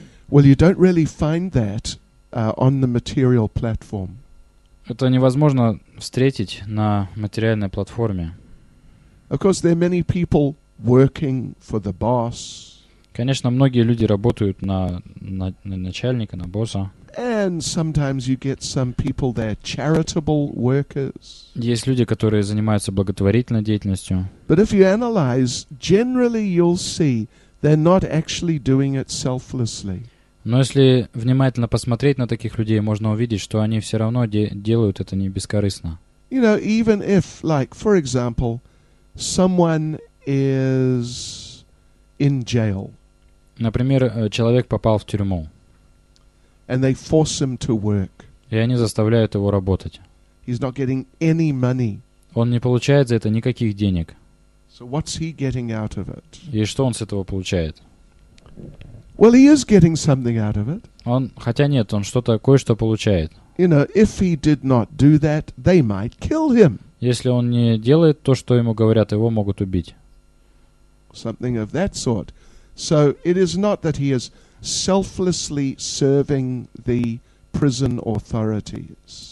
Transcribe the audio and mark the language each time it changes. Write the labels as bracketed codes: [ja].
[en] Well, you don't really find that on the material platform. [ru] Это невозможно встретить на материальной платформе. [en] Of course, there are many people working for the boss. [ru] Конечно, многие люди работают на начальника, на босса. [en] And sometimes you get some people that are charitable workers. [ru] Есть люди, которые занимаются благотворительной деятельностью. [en] But if you analyze, generally you'll see they're not actually doing it selflessly. [ru] Но если внимательно посмотреть на таких людей, можно увидеть, что они все равно делают это не бескорыстно. [en] You know, even if, like, for example, someone is in jail. [ru] Например, человек попал в тюрьму. [en] And they force him to work. [ru] И они заставляют его работать. [en] He's not getting any money. [ru] Он не получает за это никаких денег. [en] So what's he getting out of it? [ru] И что он с этого получает? [en] Well, he is getting something out of it. [ru] Он, хотя нет, он что-то, кое-что получает. [en] You know, if he did not do that, they might kill him. [ru] Если он не делает то, что ему говорят, его могут убить. [en] Something of that sort. So it is not that he is selflessly serving the prison authorities.